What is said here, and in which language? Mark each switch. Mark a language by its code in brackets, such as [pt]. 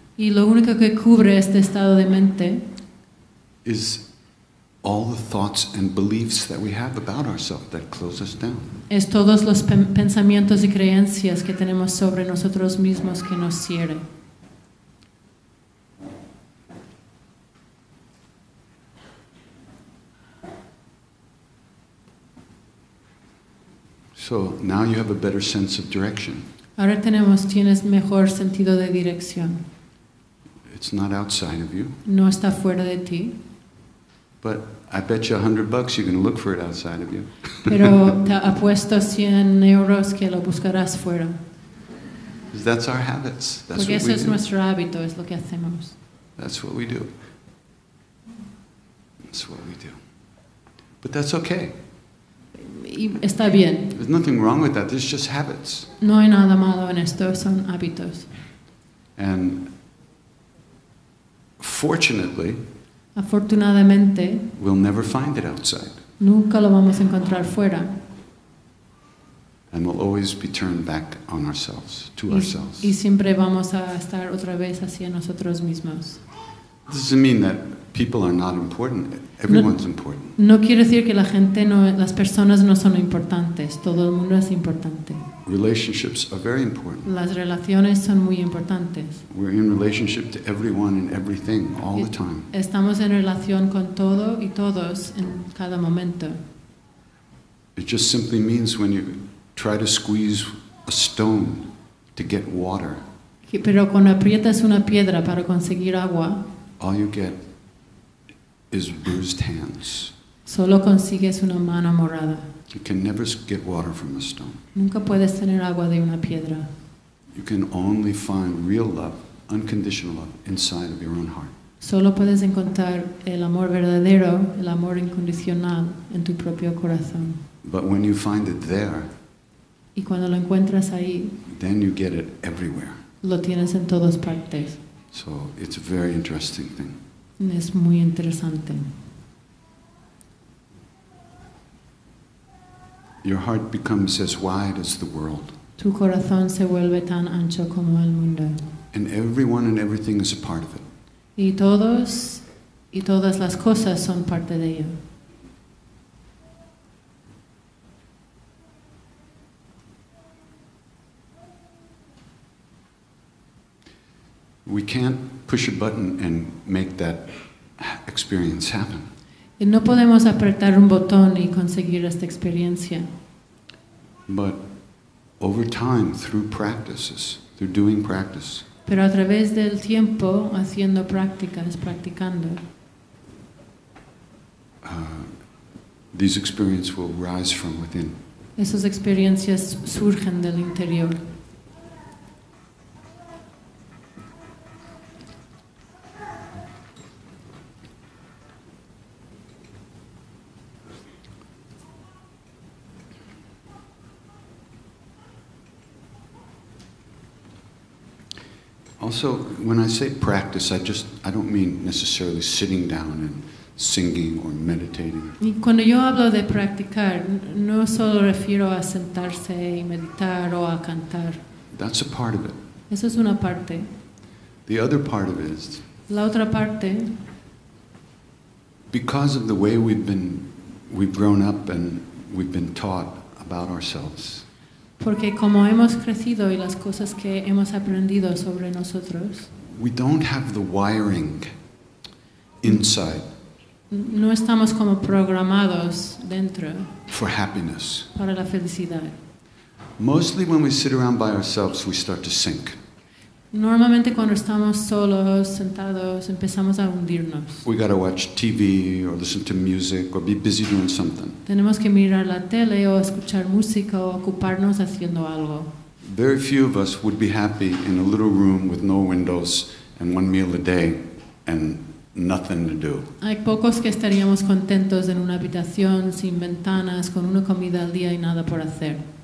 [es] Y lo único que cubre este estado de mente [en] is all the thoughts and beliefs that we have about ourselves that close us down. [es] Es todos los pensamientos y creencias que tenemos sobre nosotros mismos que nos cierren. [en] So now you have a better sense of direction. [es] Ahora tienes mejor sentido de dirección. [en] It's not outside of you. [es] No está fuera de ti. [en] But I bet you $100 you can look for it outside of you. [es] Pero te apuesto 100 euros que lo buscarás fuera. [en] Because that's our habits. That's [es] Porque [en] what we [es] es [en] do. [es] Nuestro hábito, es lo que hacemos. [en] That's what we do. That's what we do. But that's okay. [es] Y está bien. [en] There's nothing wrong with that. It's just habits. [es] No hay nada malo en esto. Son hábitos. [en] And fortunately, [es] afortunadamente, [en] we'll never find it outside. [es] Nunca lo vamos a encontrar fuera. [en] And we'll always be turned back on ourselves, to ourselves. [es] Y siempre vamos a estar otra vez hacia nosotros mismos. [en] This doesn't mean that people are not important. Everyone's important. [es] No quiero decir que la gente no, las personas no son importantes. Todo el mundo es importante. [en] Relationships are very important. [es] Las relaciones son muy importantes. [en] We're in relationship to everyone and everything all the time. [es] Estamos en relación con todo y todos en cada momento. [en] It just simply means when you try to squeeze a stone to get water. [es] Pero cuando aprietas una piedra para conseguir agua, [en] all you get is bruised hands. [es] Solo consigues una mano morada. [en] You can never get water from a stone. [es] Nunca puedes tener agua de una piedra. [en] You can only find real love, unconditional love, inside of your own heart. [es] Solo puedes encontrar el amor verdadero, el amor incondicional, en tu propio corazón. [en] But when you find it there, [es] y cuando lo encuentras ahí, [en] then you get it everywhere. [es] Lo tienes en todas partes. [en] So it's a very interesting thing. [es] Es muy interesante. [en] Your heart becomes as wide as the world. [es] Tu corazón se vuelve tan ancho como el mundo. [en] And everyone and everything is a part of it. [es] Y todos y todas las cosas son parte de ello. [en] We can't push a button and make that experience happen. [es] Y no podemos apretar un botón y conseguir esta experiencia. [en] But over time, through practices, through doing practice. [es] Pero a través del tiempo, haciendo prácticas, practicando. [en] These experiences will rise from within. [es] Esas experiencias surgen del interior. [en] Also, when I say practice, I don't mean necessarily sitting down and singing or meditating. [es] Y cuando yo hablo de practicar, no solo refiero a sentarse y meditar o a cantar. [en] That's a part of it. [es] Eso es una parte. [en] The other part of it is, [es] la otra parte, [en] because of the way we've grown up and we've been taught about ourselves. [es] Porque como hemos crecido y las cosas que hemos aprendido sobre nosotros, [en] we don't have the wiring inside. [es] No estamos como programados dentro [en] for happiness. [es] Para la felicidad. [en] Mostly when we sit around by ourselves, we start to sink. [es] Normalmente cuando estamos solos, sentados, empezamos a hundirnos. [en] We gotta watch TV or listen to music or be busy doing something. [es] Tenemos que mirar la tele o escuchar música o ocuparnos haciendo algo. [en] Very few of us would be happy in a little room with no windows and one meal a day and nothing to do. [es] Hay pocos que estaríamos contentos en una habitación sin ventanas, con una comida al día y nada por hacer.